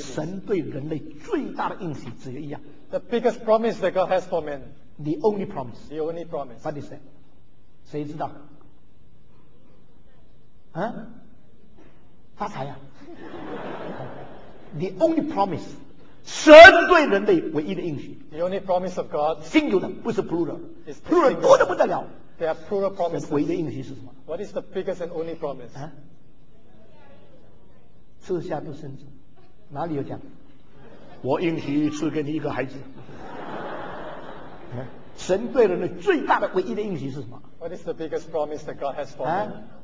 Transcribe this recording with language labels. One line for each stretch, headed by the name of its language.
Chinese: 神对人类最大的应许只有一样。
English: The biggest promise that God has for men. The only promise. The only promise. What is that?
Chinese: 谁知道？发财呀、啊、
English: The only promise
Chinese: 神对人类唯一的应许
English: The only promise of God Singular
Chinese: 不是
English: plural is
Chinese: Plural 多得不得了
English: There are plural promises
Chinese: 唯一的应许是什么
English: What is the biggest and only promise
Chinese: 赐下独生子哪里有讲我应许赐给你一个孩子神对人类最大的唯一的应许是什么
English: What is the biggest promise that God has for you